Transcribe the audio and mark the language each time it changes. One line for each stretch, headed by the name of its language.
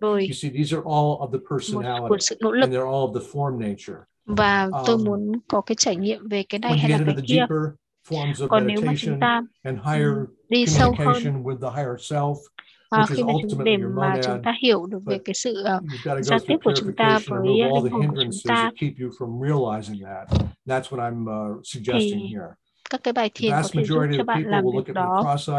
English: You see, these are all of the personality, and they're all of the form nature.
Vietnamese: Và tôi muốn có cái trải nghiệm về cái này hay là cái kia.
English: Deeper forms of meditation and higher communication with the higher self.
Vietnamese: Khi mà chúng để mà chúng ta hiểu được về cái sự giao tiếp của chúng ta với linh hồn của chúng ta, thì các cái bài thiền có thể giúp cho bạn làm việc đó.